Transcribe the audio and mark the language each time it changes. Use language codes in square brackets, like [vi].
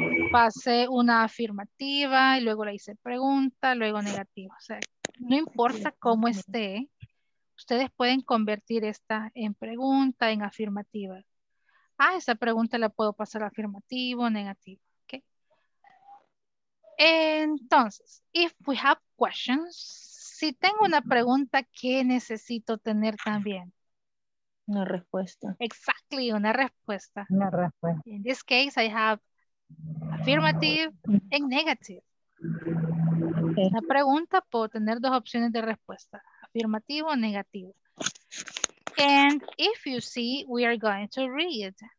[es] Pasé una afirmativa y luego la hice pregunta, luego negativa. O sea, no importa cómo esté, ustedes pueden convertir esta en pregunta, en afirmativa. Ah, esa pregunta la puedo pasar afirmativo, negativo. Okay. Entonces, [en] if we have questions, [es] si tengo una pregunta, ¿qué necesito tener también? Una respuesta. Exactly, una respuesta. Una respuesta. [en] In this case, I have affirmative and negative. Okay. [es] Una pregunta, puedo tener dos opciones de respuesta. Afirmativo o negativo. [en] And if you see, we are going to read.